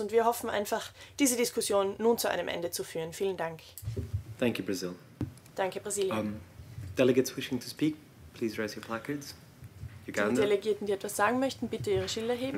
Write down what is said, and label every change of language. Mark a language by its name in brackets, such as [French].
[German] Und wir hoffen einfach, diese Diskussion nun zu einem Ende zu führen. Vielen Dank. [English] Thank you, Brazil. [German] Danke, Brasilien. [English] Delegates wishing to speak, please raise your placards. Uganda. [German] Die Delegierten, die etwas sagen möchten, bitte ihre Schilder heben.